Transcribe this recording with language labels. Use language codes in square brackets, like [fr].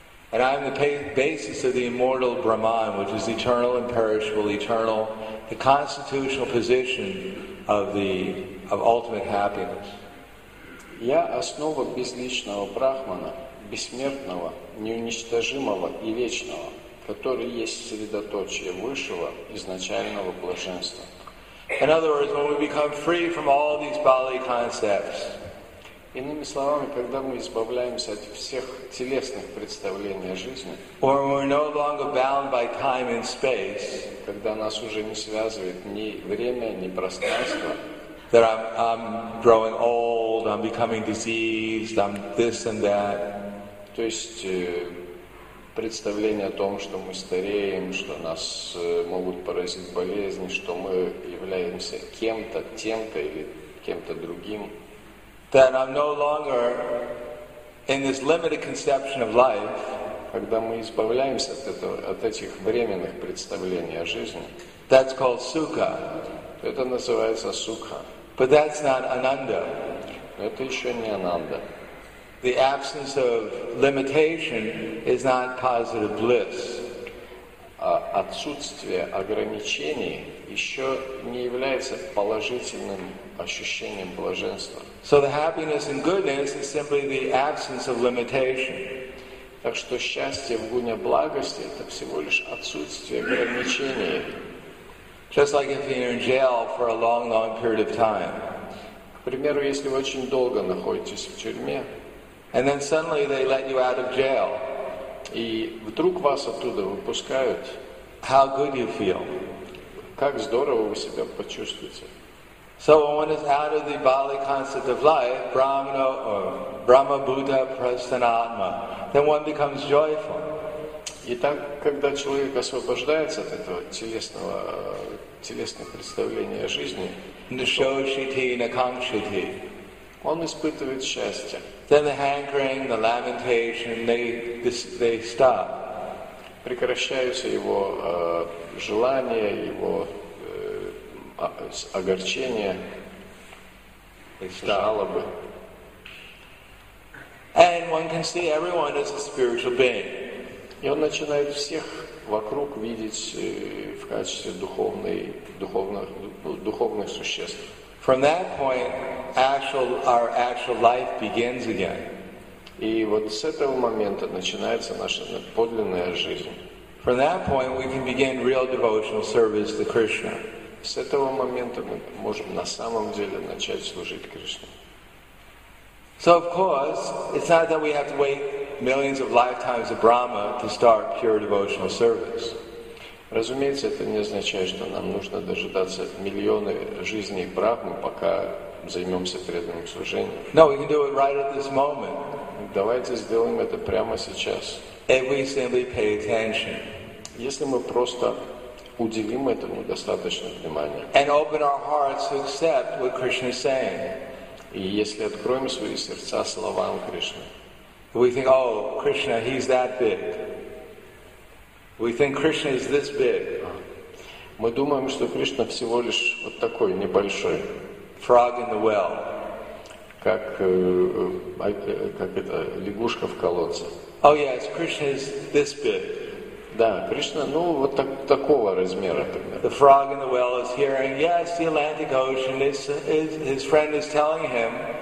[en] And I am the basis of the immortal Brahman, which is eternal, imperishable, eternal, the constitutional position of ultimate happiness. [ru] Я основа безличного Брахмана, бессмертного, неуничтожимого и вечного, который есть средоточие высшего изначального блаженства. [en] In other words, when we become free from all these Bali concepts. [ru] Иными словами, когда мы избавляемся от всех телесных представлений о жизни, [en] or we're no longer bound by time and space, [ru] когда нас уже не связывает ни время, ни пространство, [en] that I'm growing old, I'm becoming diseased, I'm this and that, [ru] то есть представление о том, что мы стареем, что нас могут поразить болезни, что мы являемся кем-то, тем-то или кем-то другим. [en] Then I'm no longer in this limited conception of life. [ru] Когда мы избавляемся от этого, от этих временных представлений о жизни, [en] that's called sukha. [ru] Это называется сукха. [en] But that's not ananda. [ru] Это еще не ананда. [en] The absence of limitation is not positive bliss. [ru] А отсутствие ограничений еще не является положительным ощущением блаженства. [en] So the happiness and goodness is simply the absence of limitation. [ru] Так что счастье в гуне благости это всего лишь отсутствие ограничений. [en] Just like if you're in jail for a long, long period of time. [ru] К примеру, если вы очень долго находитесь в тюрьме, [en] and then suddenly they let you out of jail. [ru] И вдруг вас оттуда выпускают. [en] How good you feel. [ru] Как здорово вы себя почувствуете. [en] So when one is out of the Bali concept of life, Brahmano, or [sa] Brahma, Buddha, Prasthanatma, [en] then one becomes joyful. [ru] Итак, когда человек освобождается от этого телесного, телесных представлений о жизни, [sa] Nishoshiti, Nakangshiti, [ru] он испытывает счастье. [en] Then the hankering, the lamentation, they stop. [ru] Прекращаются его желания, его огорчения, жалобы. [en] And one can see everyone as a spiritual being. [ru] И он начинает всех вокруг видеть в качестве духовных существ. [en] From that point, our actual life begins again. [ru] И вот с этого момента начинается наша подлинная жизнь. [en] From that point, we can begin real devotional service to Krishna. [ru] С этого момента мы можем на самом деле начать служить Кришне. [en] So of course, it's not that we have to wait millions of lifetimes of Brahma to start pure devotional service. [ru] Разумеется, это не означает, что нам нужно дожидаться миллионы жизней Брахмы, пока займемся преданным служением. [en] No, we can do it right at this moment. [ru] Давайте сделаем это прямо сейчас. [en] If we simply pay attention. [ru] Если мы просто уделим этому достаточно внимания. [en] And open our hearts to accept what Krishna is saying. [ru] И если откроем свои сердца словам Кришны. [en] We think, oh, Krishna, he's that big. We think Krishna is this big. [ru] Мы думаем, что Кришна всего лишь вот такой небольшой. [en] Frog in the well. [ru] Как это лягушка в колодце. [en] Oh yes, Krishna is this big. [ru] Да, Кришна, ну вот так, такого размера. Например. [en] The frog in the well is hearing. Yes, the Atlantic Ocean is his friend is telling him.